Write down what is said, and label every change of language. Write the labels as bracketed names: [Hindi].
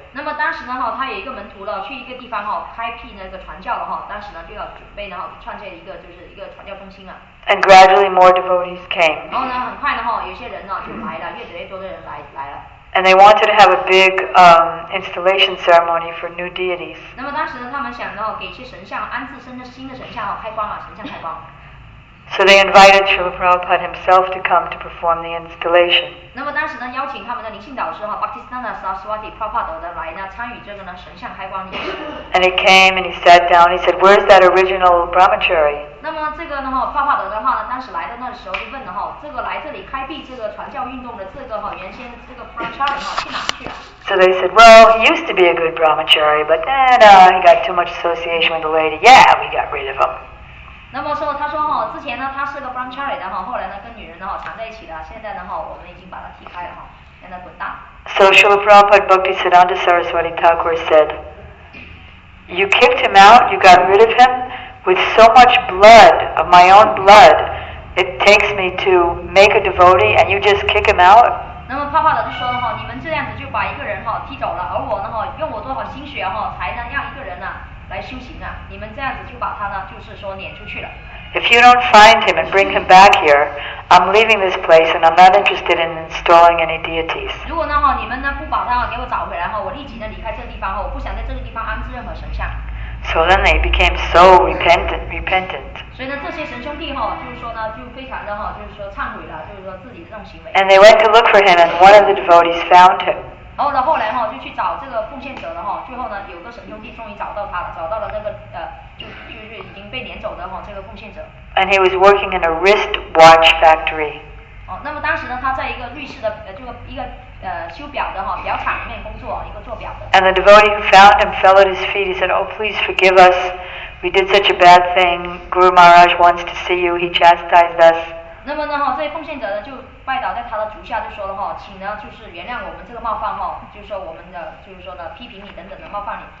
[Chinese] 那么当时呢，他有一个门徒了，去一个地方哈，开辟那个传教了哈，当时呢就要准备呢，创建一个就是一个传教中心了。 [English] And gradually more devotees came. [Chinese] 然后呢，很快呢哈，有些人呢就来了，越来越多的人来了。 [English] And they wanted to have a big installation ceremony for new deities. [Chinese] 那么当时呢，他们想要给一些神像安置新的神像开光啊，神像开光。 [English] So they invited Srila Prabhupada himself to come to perform the installation. [Chinese] 那么当时呢，邀请他们的灵性导师哈，巴基斯坦的 Saraswati Prabhupada 的来呢，参与这个呢神像开光仪式。 [English] And he came and he sat down. He said, "Where's that original brahmachari?" [Chinese] 那么这个呢哈，帕帕德的话呢，当时来的那时候就问了哈，这个来这里开辟这个传教运动的这个哈，原先这个 brahmachari 哈，去哪去了？ [English] So they said, "Well, he used to be a good brahmachari, but then he got too much association with the lady. Yeah, we got rid of him." [Chinese] 那么说，他说哈，之前呢他是个 brahmachari 的哈，后来呢跟女人呢哈缠在一起的，现在呢哈我们已经把他踢开了哈，让他滚蛋。 [English] So Srila Prabhupada Bhakti Siddhanta Saraswati Thakur said, "You kicked him out. You got rid of him." With so much blood, of my own blood, it takes me to make a devotee, and you just kick him out? [Chinese] 那么帕帕德就说了哈，你们这样子就把一个人哈踢走了，而我呢哈，用我多少心血哈，才能让一个人呢来修行啊？你们这样子就把他呢，就是说撵出去了。 [English] If you don't find him and bring him back here, I'm leaving this place, and I'm not interested in installing any deities. [Chinese] 如果呢哈，你们呢不把他给我找回来哈，我立即呢离开这个地方哈，我不想在这个地方安置任何神像。 [English] So then they became so repentant. [Chinese] 所以呢，这些神兄弟哈，就是说呢，就非常的哈，就是说忏悔了，就是说自己这种行为。 [English] And they went to look for him, and one of the devotees found him. [Chinese] 然后呢，后来哈，就去找这个奉献者了哈。最后呢，有个神兄弟终于找到他了，找到了那个就是已经被撵走的哈，这个奉献者。 [English] And he was working in a wrist watch factory. [Chinese] 哦，那么当时呢，他在一个瑞士的就一个。修表的哈，表厂里面工作，一个做表的。 [English] And the devotee who found him fell at his feet. He said, "Oh, please forgive us. We did such a bad thing. Guru Maharaj wants to see you. He chastised us." [Chinese] 那么呢哈，这奉献者呢就拜倒在他的足下，就说了哈，请呢就是原谅我们这个冒犯哈，就是说我们的就是说呢批评你等等的冒犯你。